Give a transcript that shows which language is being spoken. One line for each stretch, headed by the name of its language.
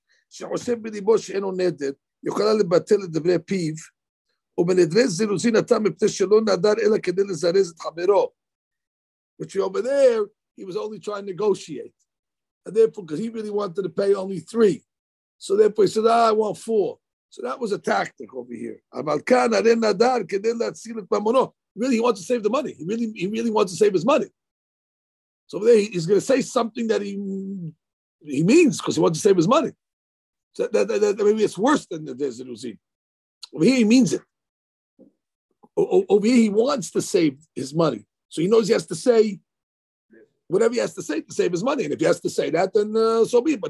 Hebrew: שחושב בליבו שאינו נדר, יכולה לבטל את דברי פיו, ובנדרי זירוזין אתה מפני שלא נדר, אלא כדי לזרז את חברו.
English: Which over there, he was only trying to negotiate. And therefore, because he really wanted to pay only three. So therefore, he said, I want four. So that was a tactic over here.
Hebrew: אבל כאן, הרי נדר, כדי להציל את ממונו.
English: Really, he wants to save the money. He really wants to save his money. So over there, he's going to say something that he means, because he wants to save his money. So that maybe it's worse than the Zeruzin. Over here, he means it. Over here, he wants to save his money. So he knows he has to say whatever he has to save his money. And if he has to say that, then so be it.